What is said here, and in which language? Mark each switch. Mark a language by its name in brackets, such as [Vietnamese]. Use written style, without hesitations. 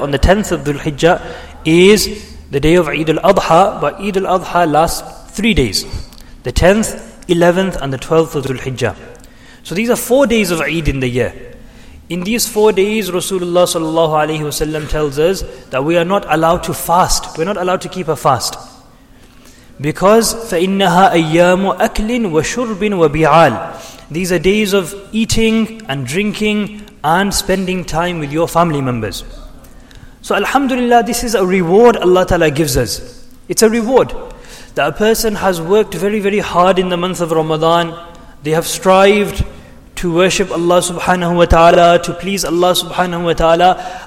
[English] On the 10th of Dhul-Hijjah is the day of Eid al-Adha, but Eid al-Adha lasts 3 days. The 10th, 11th and the 12th of Dhul-Hijjah. So these are 4 days of Eid in the year. In these 4 days, Rasulullah sallallahu alayhi wasallam tells us that we are not allowed to fast. We're not allowed to keep a fast. Because [Arabic] فَإِنَّهَا أَيَّامُ أَكْلٍ وَشُرْبٍ وَبِعَالٍ. [English] These are days of eating and drinking and spending time with your family members. So alhamdulillah, this is a reward Allah ta'ala gives us. It's a reward that a person has worked very, very hard in the month of Ramadan. They have strived to worship Allah subhanahu wa ta'ala, to please Allah subhanahu wa ta'ala.